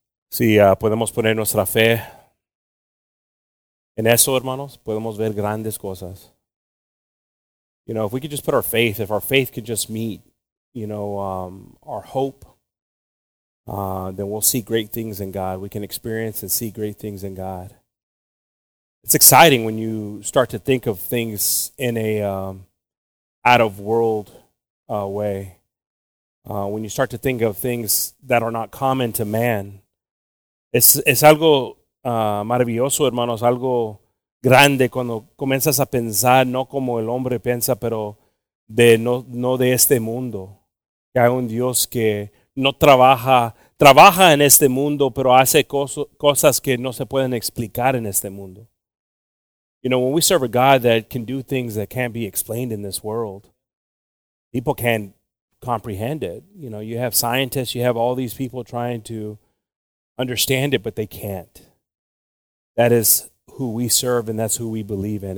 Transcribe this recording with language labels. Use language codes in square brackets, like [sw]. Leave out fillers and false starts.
[es] Si podemos poner nuestra fe en eso, hermanos, podemos ver grandes cosas. [en] You know, if we could just put our faith, if our faith could just meet, you know, our hope, then we'll see great things in God. We can experience and see great things in God. It's exciting when you start to think of things in a out-of-world way. When you start to think of things that are not common to man, [es] es algo maravilloso, hermanos, algo grande cuando comienzas a pensar no como el hombre piensa, pero de no de este mundo. Que hay un Dios que no trabaja en este mundo, pero hace cosas que no se pueden explicar en este mundo. [en] You know, when we serve a God that can do things that can't be explained in this world, people can't comprehend it. You know, you have scientists, you have all these people trying to understand it, but they can't. That is who we serve, and that's who we believe in.